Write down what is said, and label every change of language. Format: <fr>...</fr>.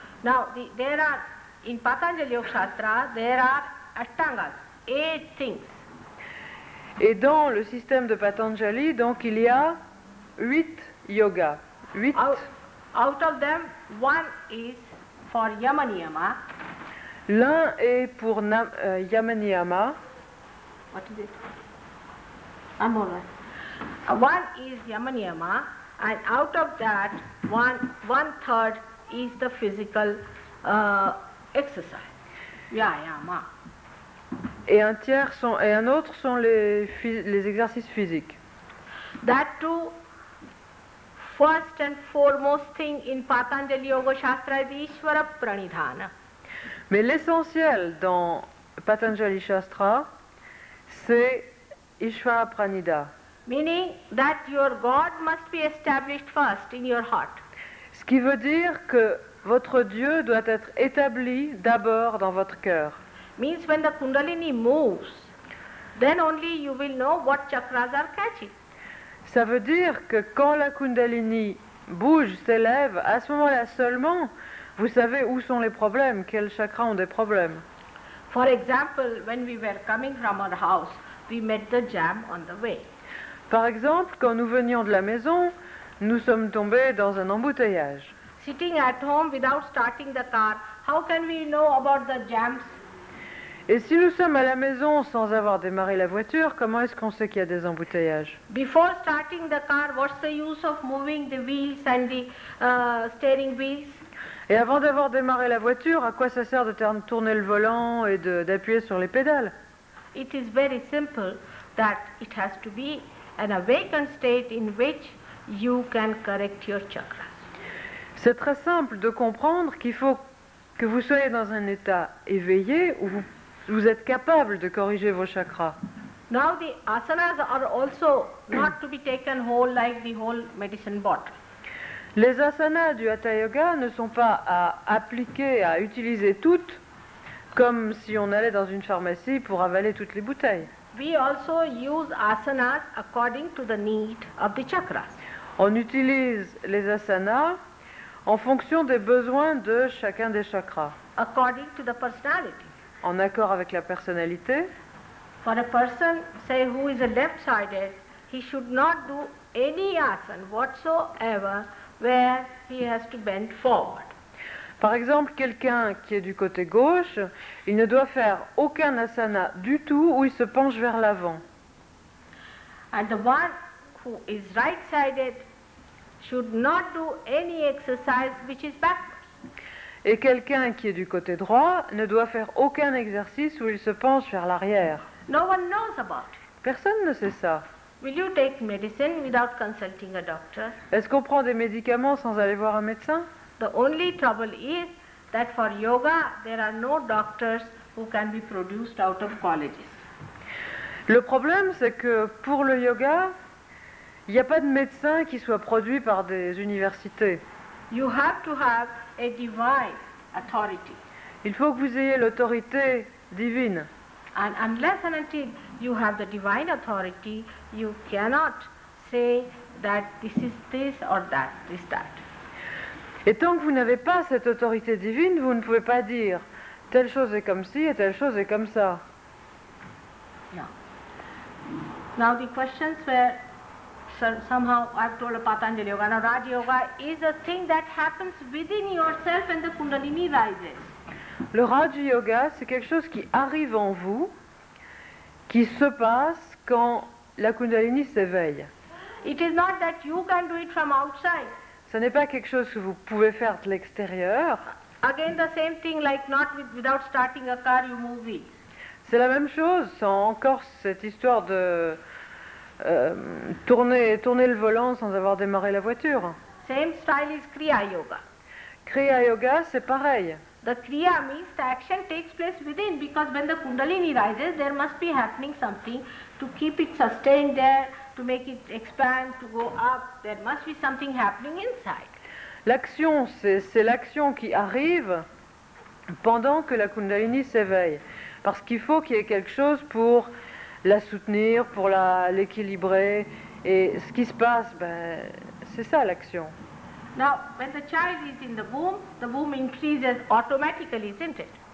<en>Now, in Patanjali Yoga Shastra, there are ashtangas. Eight things.</en> <fr>Et dans le système de Patanjali, donc il y a 8 yogas.</fr> <en>Out of them, one is for Yamaniyama.</en> <fr>L'un est pour Yamaniyama.</fr> <en>What is it? I'm all right. One is Yamaniyama, and out of that, one third is the physical exercise. Yayama.</en> <fr>Et un autre sont les exercices physiques.</fr> <en>That too, first and foremost thing in Patanjali Yoga Shastra is Ishvara Pranidhana.</en> <fr>Mais l'essentiel dans Patanjali Shastra, c'est Ishvara Pranida.</fr> <en>Meaning that your God must be established first in your heart.</en> <fr>Ce qui veut dire que votre Dieu doit être établi d'abord dans votre cœur.</fr> <en>Means when the Kundalini moves, then only you will know what chakras are catching.</en> <fr>Ça veut dire que quand la Kundalini bouge, s'élève, à ce moment-là seulement, Vous savez où sont les problèmes, quels chakras ont des problèmes.</fr> <en>For example, when we were coming from our house, we met the jam on the way.</en> <fr>Par exemple, quand nous venions de la maison, nous sommes tombés dans un embouteillage.</fr> <en>Sitting at home without starting the car, how can we know about the jams?</en> <fr>Et si nous sommes à la maison sans avoir démarré la voiture, comment est-ce qu'on sait qu'il y a des embouteillages?</fr> <en>Before starting the car, what's the use of moving the wheels and the steering wheels?</en> <fr>Et avant d'avoir démarré la voiture, à quoi ça sert de tourner le volant et d'appuyer sur les pédales?</fr> <en>It is very simple that it has to be an awakened state in which you can correct your chakras.</en> <fr>C'est très simple de comprendre qu'il faut que vous soyez dans un état éveillé où vous êtes capable de corriger vos chakras.</fr> <en>Now the asanas are also not to be taken whole like the whole medicine bottle.</en> <fr>Les asanas du Hatha Yoga ne sont pas à appliquer, à utiliser toutes, comme si on allait dans une pharmacie pour avaler toutes les bouteilles.</fr> <en>We also use asanas according to the need of the chakras.</en> <fr>On utilise les asanas en fonction des besoins de chacun des chakras.</fr> <en>According to the personality.</en> <fr>En accord avec la personnalité.</fr> <en>For a person, say, who is a left-sided, he should not do any asana whatsoever where he has to bend forward.</en> <fr>Par exemple, quelqu'un qui est du côté gauche, il ne doit faire aucun asana du tout où il se penche vers l'avant.</fr> <en>And the one who is right-sided should not do any exercise which is backward.</en> <fr>Et quelqu'un qui est du côté droit ne doit faire aucun exercice où il se penche vers l'arrière.</fr> <en>No one knows about it.</en> <fr>Personne ne sait ça.</fr> <en>Will you take medicine without consulting a doctor?</en> <fr>Est-ce qu'on prend des médicaments sans aller voir un médecin?</fr> <en>The only trouble is that for yoga there are no doctors who can be produced out of colleges.</en> <fr>Le problème c'est que pour le yoga, il n'y a pas de médecin qui soit produit par des universités.</fr> <en>You have to have a divine authority.</en> <fr>Il faut que vous ayez l'autorité divine.</fr> <en>And unless and until you have the divine authority, you cannot say that this is this or that, this that.</en> <fr>Et tant que vous n'avez pas cette autorité divine, vous ne pouvez pas dire telle chose est comme ci et telle chose est comme ça.</fr> <en>Yeah. Now the questions were somehow I've told a Patanjali Yoga. Now Raj Yoga is a thing that happens within yourself and the Kundalini rises.</en> <fr>Le Raj Yoga, c'est quelque chose qui arrive en vous, qui se passe quand la Kundalini s'éveille.</fr> <en>It is not that you can do it from outside.</en> <fr>Ce n'est pas quelque chose que vous pouvez faire de l'extérieur.</fr> <en>Again the same thing, like not without starting a car you move it.</en> <fr>C'est la même chose, sans encore cette histoire de tourner le volant sans avoir démarré la voiture.</fr> <en>Same style is Kriya Yoga.</en> <fr>Kriya Yoga, c'est pareil.</fr> <en>The Kriya means the action takes place within, because when the Kundalini rises, there must be happening something to keep it sustained there, to make it expand, to go up. There must be something happening inside.</en> <fr>L'action, c'est l'action qui arrive pendant que la Kundalini s'éveille. Parce qu'il faut qu'il y ait quelque chose pour la soutenir, pour l'équilibrer. Et ce qui se passe, ben, c'est ça l'action.</fr> <en>Now, when the child is in the womb increases automatically, isn't it?</en>